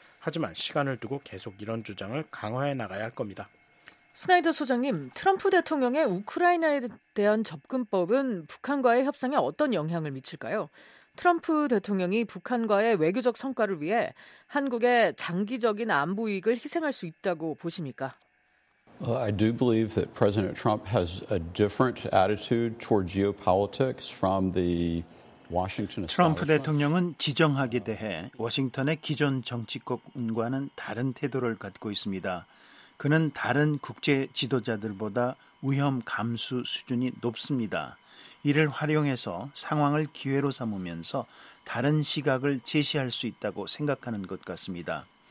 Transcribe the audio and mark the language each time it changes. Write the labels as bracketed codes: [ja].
[ko] 하지만 시간을 두고 계속 이런 주장을 강화해 나가야 할 겁니다. 스나이더 소장님, 트럼프 대통령의 우크라이나에 대한 접근법은 북한과의 협상에 어떤 영향을 미칠까요? 트럼프 대통령이 북한과의 외교적 성과를 위해 한국의 장기적인 안보 이익을 희생할 수 있다고 보십니까? [en] Well, I do believe that President Trump has a different attitude toward geopolitics from the Washington establishment. [ko] 트럼프 대통령은 지정학에 대해 워싱턴의 기존 정치권과는 다른 태도를 갖고 있습니다. 그는 다른 국제 지도자들보다 위험 감수 수준이 높습니다. 이를 활용해서 상황을 기회로 삼으면서 다른 시각을 제시할 수 있다고 생각하는 것 같습니다.